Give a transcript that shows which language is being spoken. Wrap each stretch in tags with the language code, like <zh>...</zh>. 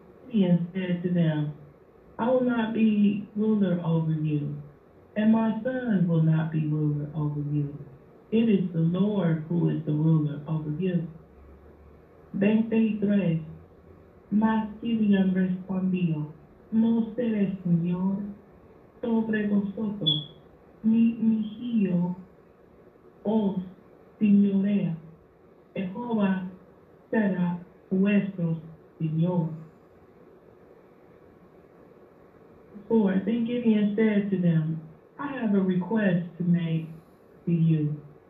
<en>Gideon said to them, I will not be ruler over you, and my son will not be ruler over you. It is the Lord who is the ruler over you. 23.</en> <es>mas Gideon respondió, no seré, Señor, sobre vosotros, ni yo os señorea, Jehová será vuestro Señor.</es> <en>For then Gideon said to them, I have a request to make to you.</en>